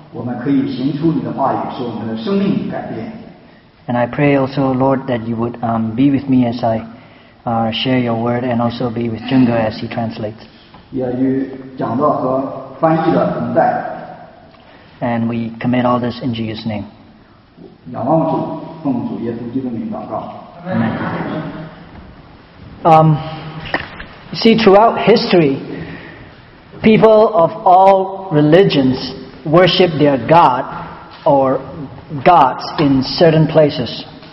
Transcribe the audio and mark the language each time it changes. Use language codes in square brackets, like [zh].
[zh] 我们可以行出你的话语，使我们的生命改变。 [en] And I pray also, Lord, that you would be with me as I share your word, and also be with Junge as he translates. [zh] 也与讲道和翻译的同在。 [en] And we commit all this in Jesus' name. [zh] 仰望主，奉主耶稣基督的名祷告。Amen. [en] See, throughout history, people of all religions worship their god or gods in certain places.